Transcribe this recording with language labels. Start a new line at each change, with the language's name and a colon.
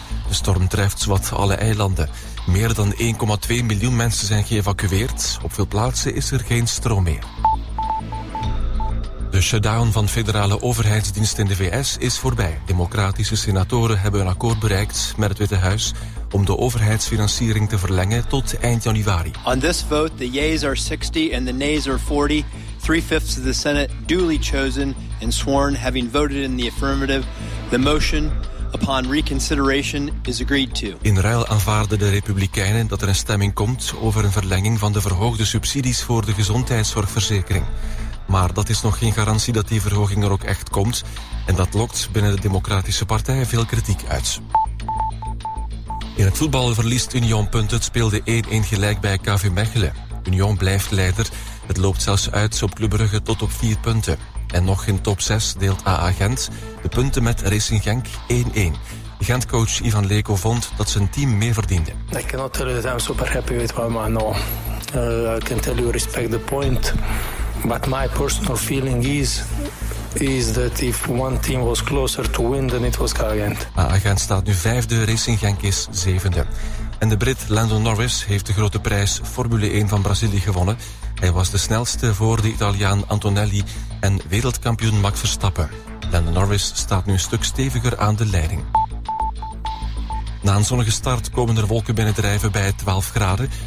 Dutch: De storm treft zowat alle eilanden. Meer dan 1,2 miljoen mensen zijn geëvacueerd. Op veel plaatsen is er geen stroom meer. De shutdown van federale overheidsdiensten in de VS is voorbij. Democratische senatoren hebben een akkoord bereikt met het Witte Huis om de overheidsfinanciering te verlengen tot eind januari.
English: On this vote, the yeas are 60 and the nays are 40. 3/5 of the Senate duly chosen and sworn, having voted in the affirmative, the motion upon reconsideration is agreed to.
Dutch: In ruil aanvaarden de Republikeinen dat er een stemming komt over een verlenging van de verhoogde subsidies voor de gezondheidszorgverzekering. Maar dat is nog geen garantie dat die verhoging er ook echt komt. En dat lokt binnen de Democratische Partij veel kritiek uit. In het voetbal verliest Union punten. Het speelde 1-1 gelijk bij KV Mechelen. Union blijft leider. Het loopt zelfs uit op Club Brugge tot op 4 punten. En nog in top 6 deelt AA Gent de punten met Racing Genk 1-1. Gent-coach Ivan Leko vond dat zijn team meer verdiende. Ik kan natuurlijk dat
English: I'm super happy with what I'm now. I can tell you respect the point. But my personal feeling is that if one team was closer to win, then it was Gent.
Dutch: Gent staat nu 5e, Racing Genk is 7e. En de Brit Lando Norris heeft de grote prijs Formule 1 van Brazilië gewonnen. Hij was de snelste voor de Italiaan Antonelli en wereldkampioen Max Verstappen. Lando Norris staat nu een stuk steviger aan de leiding. Na een zonnige start komen er wolken binnendrijven bij 12 graden.